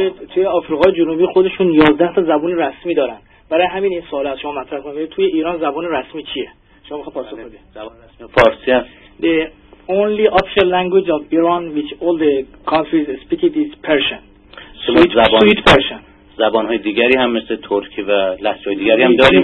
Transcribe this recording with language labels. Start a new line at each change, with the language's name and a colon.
Persian: توی آفریقای جنوبی خودشون 11 تا زبان رسمی دارن. برای همین این سوال از شما مطرح کنم توی ایران زبان رسمی چیه؟ شما میخواید پاسخ بدید. زبان رسمی فارسی است.
English: only official language of Iran which all the countries speak it is Persian. Sweet Persian.
Persian: زبان‌های دیگری هم مثل ترکی و لهجه‌های دیگری هم داریم.